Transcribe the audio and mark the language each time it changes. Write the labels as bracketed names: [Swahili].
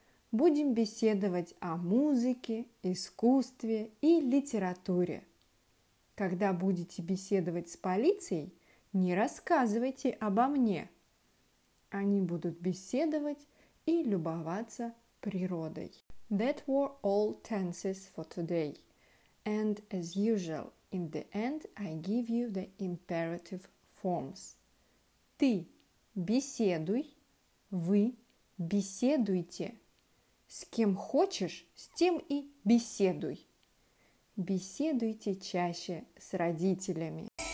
[Russian] Будем беседовать о музыке, искусстве и литературе. Когда будете беседовать с полицией, не рассказывайте обо мне. Они будут беседовать и любоваться природой. [English] That were all tenses for today. And as usual, in the end, I give you the imperative forms. [Russian] Ты беседуй, вы беседуйте. С кем хочешь, с тем и беседуй. Беседуйте чаще с родителями.